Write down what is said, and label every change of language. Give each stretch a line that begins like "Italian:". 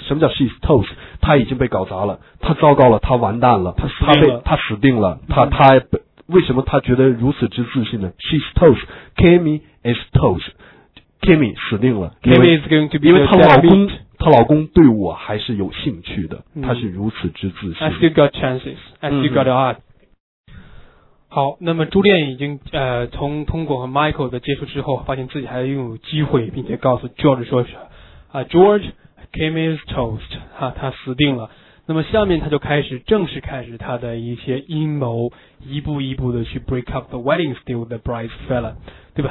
Chinese: 什么叫
English: she's toast，
Chinese: 他已经被搞砸了，他糟糕了，他完蛋了，他死定了，他为什么他觉得如此之自信呢？
English: She's toast， Kimmy is toast， Kimmy
Chinese: 死定了，
English: Kimmy is going to be
Chinese: 因为他老公对我还是有兴趣的，他是如此之自信。
English: I still got chances, I still got art.
Chinese: 好，那么朱丽叶已经通过和 Michael 的接触之后，发现自己还拥有机会，并且告诉 George 说是啊 ，George
English: Kimmy is toast
Chinese: 啊，他死定了。那么下面他就正式开始他的一些阴谋，一步一步的去
English: break up the wedding steal the bride's fella，
Chinese: 对吧？